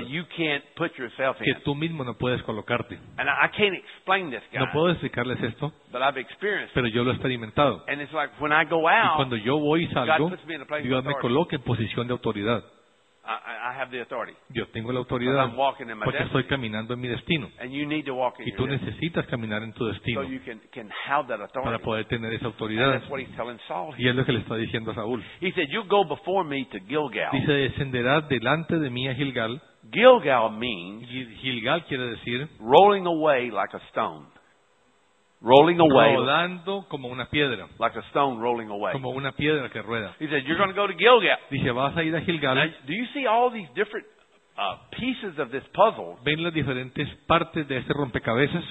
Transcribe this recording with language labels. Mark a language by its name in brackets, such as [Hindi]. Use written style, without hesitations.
[English] that you can't put yourself in. [Spanish] Que tú mismo no puedes puedes colocarte. [English] And I can't explain this, guys. [Spanish] No puedo explicarles esto, [English] but I've experienced, [Spanish] pero yo lo he experimentado. [English] And it's like when I go out, [Spanish] y cuando yo voy y salgo, [English] God puts me in a place, [Spanish] Dios me coloca en posición de autoridad. [English] I have the authority. [Spanish] Yo tengo la autoridad, [English] I'm walking in my [Spanish] porque [English] destiny. [Spanish] Estoy caminando en mi destino. [English] And you need to walk in [Spanish] y tú necesitas caminar en tu destino, [English] so you can have that authority. [Spanish] Para poder tener esa autoridad. [English] And that's what he's telling Saul here. [Spanish] Y es lo que le está diciendo a Saúl. [English] He said, "You go before me to Gilgal." [Spanish] Dice, descenderás delante de mí a Gilgal. [English] Gilgal means [Spanish] Gilgal quiere decir [English] rolling away like a stone. Rolling away, [Spanish] rodando como una piedra, [English] like a stone rolling away, [Spanish] como una piedra que rueda. [English] He said, "You're going to go to Gilgal." [Spanish] Dice, vas a ir a Gilgal. [English] Now, do you see all these different pieces of this puzzle? [Spanish] Ven las diferentes partes de este rompecabezas.